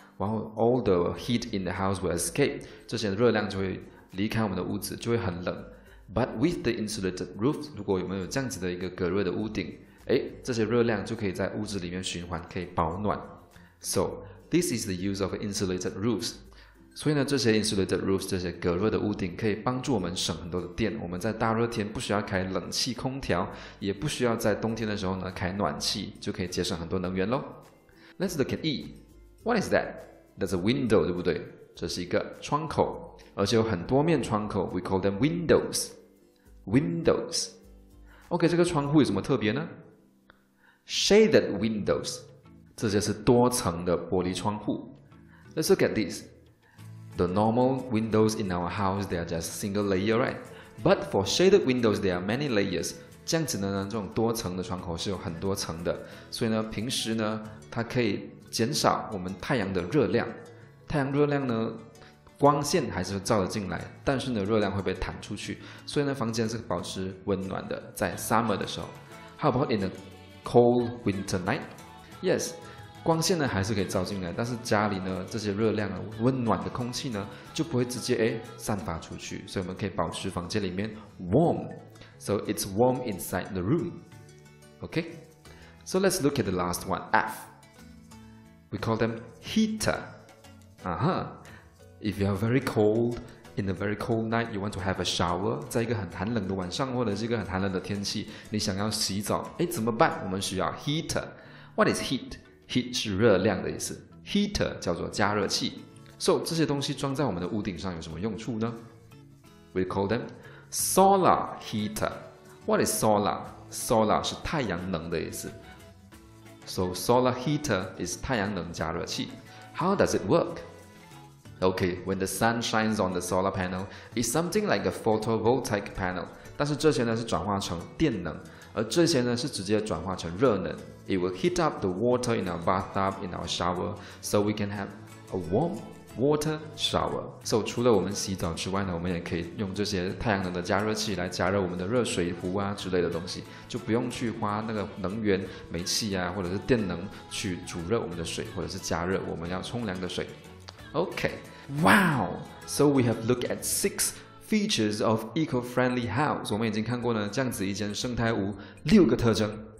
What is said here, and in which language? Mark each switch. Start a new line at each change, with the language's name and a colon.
English: While all the heat in the house will escape,
Chinese: 这些热量就会离开我们的屋子，就会很冷。
English: But with the insulated roof,
Chinese: 如果我们有这样子的一个隔热的屋顶，哎，这些热量就可以在屋子里面循环，可以保暖。
English: So, this is the use of insulated roofs.
Chinese: 所以呢，这些 insulated roofs, 这些隔热的屋顶可以帮助我们省很多的电。我们在大热天不需要开冷气空调，也不需要在冬天的时候呢开暖气，就可以节省很多能源咯。
English: Let's look at E. What is that? That's a window,
Chinese: 对不对？这是一个窗口，而且有很多面窗口。
English: We call them windows. windows.
Chinese: OK, 这个窗户有什么特别呢？
English: Shaded windows.
Chinese: 这就是多层的玻璃窗户。
English: Let's look at this. The normal windows in our house, they are just single layer, right? But for shaded windows, there are many layers.
Chinese: 这样子呢，这种多层的窗口是有很多层的。所以呢，平时呢，它可以减少我们太阳的热量。太阳热量呢，光线还是照得进来，但是呢，热量会被弹出去。所以呢，房间是保持温暖的，在 summer 的时候。
English: How about in a cold winter night? Yes.
Chinese: 光线呢还是可以照进来，但是家里呢这些热量啊，温暖的空气呢就不会直接散发出去，所以我们可以保持房间里面 warm.
English: So it's warm inside the room. Okay. So let's look at the last one. F. We call them heater. If you are very cold in a very cold night, you want to have a shower.
Chinese: 在一个很寒冷的晚上，或者是一个很寒冷的天气，你想要洗澡，怎么办？我们需要 heater.
English: What is heat?
Chinese: Heat 是热量的意思， Heater 叫做加热器。 So 这些东西装在我们的屋顶上有什么用处呢？
English: We call them solar heater. What is solar? Solar
Chinese: 是太阳能的意思。
English: So solar heater is
Chinese: 太阳能加热器。
English: How does it work? Okay, when the sun shines on the solar panel, it's something like a photovoltaic panel.
Chinese: 但是这些呢是转化成电能，而这些呢是直接转化成热能。
English: It will heat up the water in our bathtub, in our shower, so we can have a warm water shower.
Chinese: So, 除了我们洗澡之外呢，我们也可以用这些太阳能的加热器来加热我们的热水壶啊之类的东西，就不用去花那个能源、煤气啊，或者是电能去煮热我们的水，或者是加热我们要冲凉的水。
English: Okay, wow! So we have looked at six features of eco-friendly house.
Chinese: 我们已经看过呢，这样子一间生态屋六个特征。